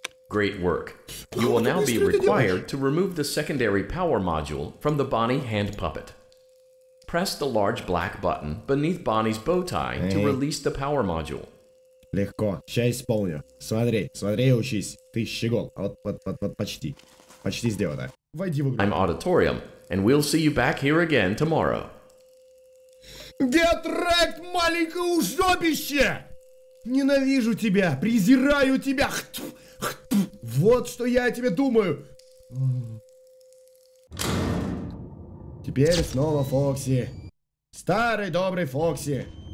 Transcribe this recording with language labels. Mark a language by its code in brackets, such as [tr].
[en] Great work. You will now be required to remove the secondary power module from the Bonnie hand puppet. Press the large black button beneath Bonnie's bow tie to release the power module. [ru] Легко, сейчас исполню. Смотри, смотри и учись. Ты щегол, а вот, вот, вот, вот почти. Почти сделано. Войди в игру. [en] I'm Auditorium, and we'll see you back here again tomorrow. [ru] Гетрект, маленькое ужопище! Ненавижу тебя, презираю тебя! Вот что я о тебе думаю! Теперь снова Фокси. Старый добрый Фокси.